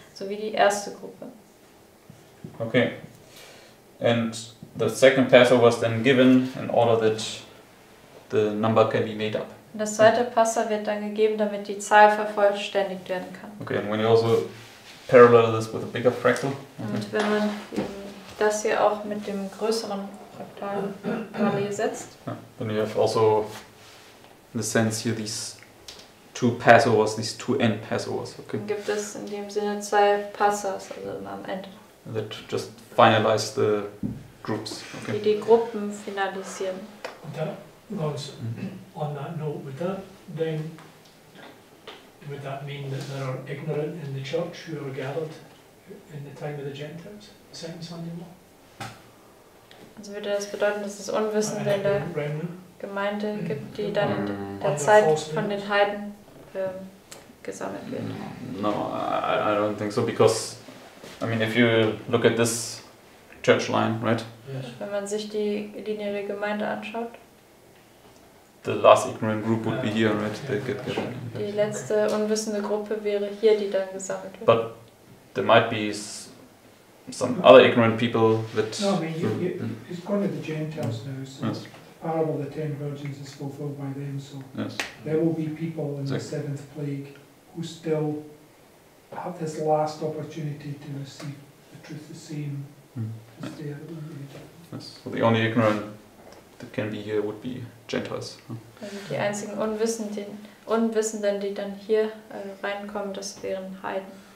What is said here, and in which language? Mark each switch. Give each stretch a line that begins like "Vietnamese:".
German: So wie die erste Gruppe.
English: Okay. And the second Passover was then given in order that the number can be made up.
German: Und das zweite Passover wird dann gegeben, damit die Zahl vervollständigt werden kann.
English: Okay, and when you also parallel this with a bigger fractal. Okay.
German: Und wenn man das hier auch mit dem größeren Fraktal parallel setzt.
English: Yeah. Then you have also, in the sense here, these two Passovers, these two end Passovers. Okay.
German: Gibt es in dem Sinne zwei Passas, also am Ende.
English: That just finalize the groups. Okay.
German: Die Gruppen finalisieren. Und dann,
English: Lawrence, on that note, would that mean that there are ignorant in the church who are gathered in the time of the Gentiles, second Sunday morning?
German: Also würde das bedeuten, dass es Unwissende in der Gemeinde gibt, die dann in der Zeit von den Heiden gesammelt wird.
English: No, I don't think so, because I mean, if you look at this church line, right? Yes.
German: Wenn man sich die Linie der Gemeinde anschaut,
English: the last ignorant group would be here, right? Yeah, they get gathered. Sure.
German: Die letzte unwissende Gruppe wäre hier, die dann gesammelt wird.
English: But there might be some other ignorant people that. No, I mean, it's going to the Gentiles now. So yes. Parable of the ten virgins is fulfilled by them, so yes. There will be people in the seventh plague who still have this last opportunity to receive the truth the same as they are. Yes. So the only ignorant that can be here would be Gentiles.
German: Also die einzigen Unwissenden, die dann hier reinkommen, das wären Heiden.